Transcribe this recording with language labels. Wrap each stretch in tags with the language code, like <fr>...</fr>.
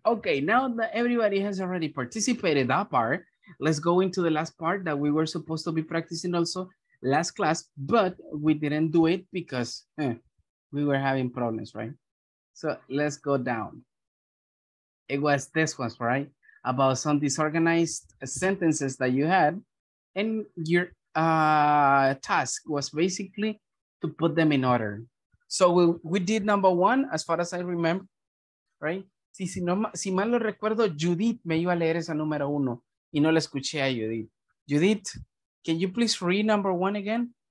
<en>Okay, now that everybody has already participated that part, let's go into the last part that we were supposed to be practicing also last class, but we didn't do it because we were having problems, right? So let's go down. It was this one, right? About some disorganized sentences that you had, and your task was basically to put them in order. So we did number one, as far as I remember, right?</en> <es>Si mal lo recuerdo, Judith me iba a leer esa número uno y no la escuché a Judith.</es> <en>Judith, can you please read number one again?</en>